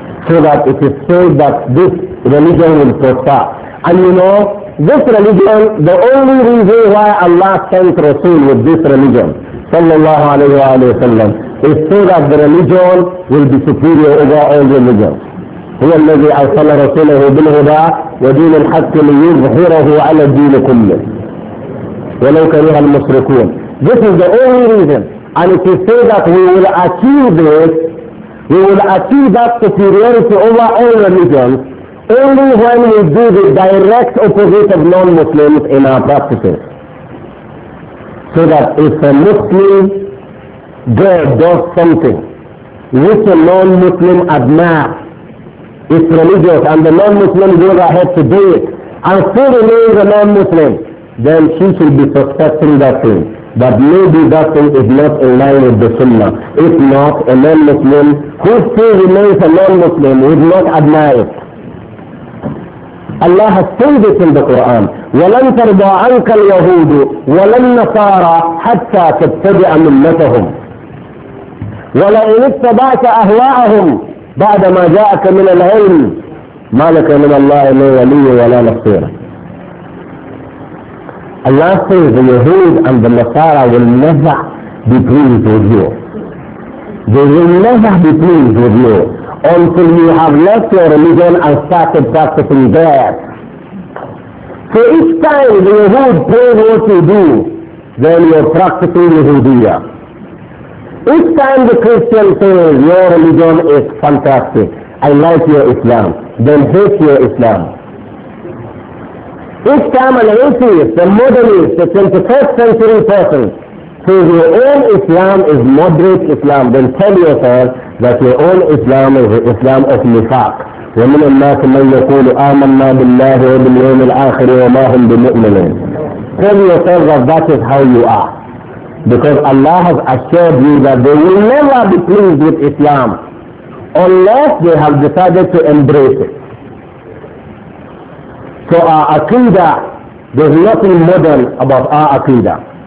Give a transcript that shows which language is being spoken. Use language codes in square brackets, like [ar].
[en] So that it is said that this religion will prosper. And you know, this religion, the only reason why Allah sent Rasul with this religion, sallallahu alayhi wa sallam, is so that the religion will be superior over all religions. [ar] هو الذي أرسل رسوله بالهدى ودين الحق ليظهره على الدين كله ولو كره المشركون. [en] This is the only reason, and if you say that we will achieve this, we will achieve that superiority over all religions only when we do the direct opposite of non-Muslims in our practices. So that if a Muslim girl does something which a non-Muslim admires, it's religious, and the non-Muslim goes ahead to do it and still remains a non-Muslim, then she should be suspecting that thing, that maybe that thing is not in line with the Sunnah. If not, a non-Muslim who still remains a non-Muslim would not admire it. Allah has said it in the Quran, [ar] وَلَنْ تَرْضَى عَنْكَ الْيَهُودُ وَلَنْ نَصَارَى حَتَّى تَتَّبِعَ مِلَّتَهُمْ وَلَئِنِ اتَّبَعْتَ أَهْوَاءَهُمْ بعدما جاءك من العلم ما لك من الله لا ولي ولا نصير. [en] Allah says the Yahud and the Nasara will never be pleased with you. They will never be pleased with you until you have left your religion and started practicing theirs. So each time the Yahud prays what you do, then you are practicing Yahudiyah. Each time the Christian says your religion is fantastic, I like your Islam, then hate your Islam. Each time an atheist, a modernist, a 21st century person says your own Islam is moderate Islam, then tell yourself that your own Islam is the Islam of nifaq. [ar] ومن الناس من يقول آمنا بالله وباليوم الآخر وما هم بمؤمنين. [en] Tell yourself that that is how you are. Because Allah has assured you that they will never be pleased with Islam unless they have decided to embrace it. So our aqidah, there's nothing modern about our aqidah.